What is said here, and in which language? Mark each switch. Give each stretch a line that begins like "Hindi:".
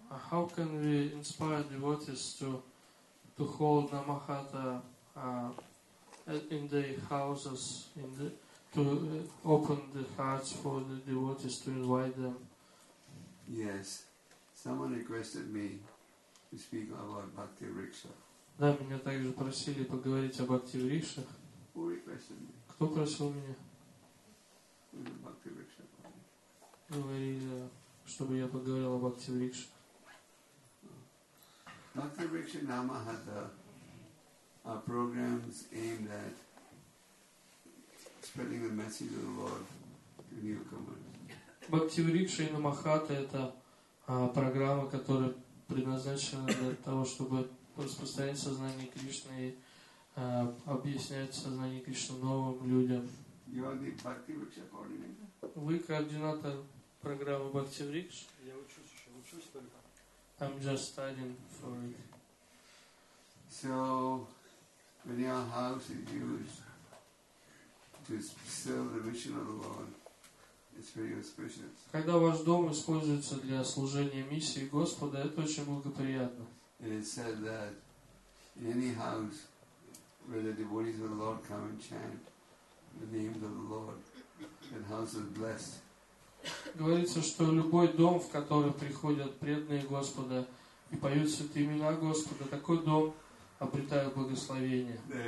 English: How can we inspire devotees to hold Namahata in their houses, to open the hearts for the devotees to invite them? Yes, someone requested me to speak about Bhakti Riksha.
Russian: Да, меня также просили поговорить о Бхакти Рикше.
English: Who requested me?
Russian: Кто просил меня? Бхакти Рикша. Говорили, чтобы я поговорил о Бхакти Рикше.
English: Bhakti Riksha Namahata are programs aimed at spreading the message of the Lord to newcomers.
Russian: Bhakti Riksha Namahata это программа, которая предназначена для того, чтобы распространять сознание Кришны и объяснять сознание Кришны новым людям.
English: You are the Bhakti Riksha coordinator?
Russian: Вы координатор программы Bhakti Riksha? Я учусь еще, учусь только.
English: I'm just studying for it. So, when your house is used to serve the mission of the Lord, it's very auspicious.
Russian: Когда ваш дом используется для служения миссии Господа, это очень благоприятно.
English: And it said that in any house where the devotees of the Lord come and chant the name of the Lord, that house is blessed.
Russian: Говорится, что любой дом, в который приходят преданные Господа и поют святые имена Господа, такой дом обретает благословение.